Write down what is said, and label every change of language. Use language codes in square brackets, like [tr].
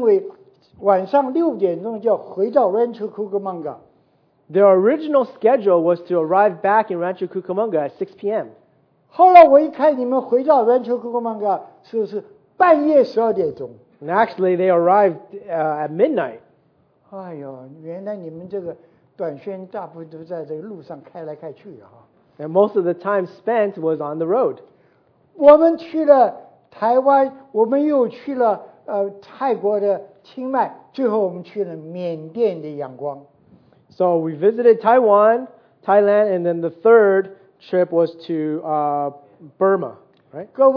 [zh] 结果她本来认为晚上六点钟就要回到Rancho Cucamonga. [en] Their original schedule was to arrive back in Rancho Cucamonga at 6 p.m. [zh] 后来我一看你们回到Rancho Cucamonga是半夜12点钟。 [en] And actually, they arrived at midnight. [zh] 哎呦,原来你们这个短宣大部分都在这个路上开来开去啊。 [en] And most of the time spent was on the road. [zh] 我们去了台湾,我们又去了泰国的清迈,最后我们去了缅甸的仰光。 [en] So we visited Taiwan, Thailand, and then the third trip was to Burma, right?